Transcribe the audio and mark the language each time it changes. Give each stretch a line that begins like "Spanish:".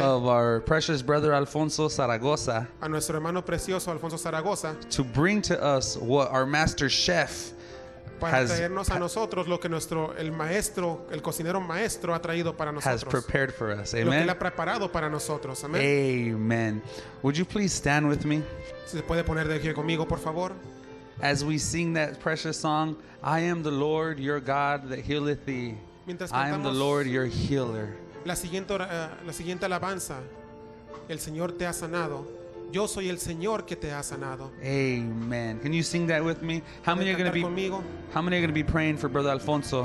English: of our precious brother Alfonso Zaragoza,
Spanish: a nuestro hermano precioso Alfonso Zaragoza,
English: to bring to us what our master chef has prepared for us. Amen.
Spanish: Lo que ha preparado para nosotros. Amen.
English: Amen. Would you please stand with me?
Spanish: ¿Se puede poner de pie conmigo, por favor?
English: As we sing that precious song, I am the Lord your God that healeth thee.
Spanish: Mientras
English: I am the Lord your healer.
Spanish: La siguiente alabanza. El Señor te ha sanado. Yo soy el Señor que te ha sanado.
English: Amen. Can you sing that with me? How many are going to be praying for Brother Alfonso?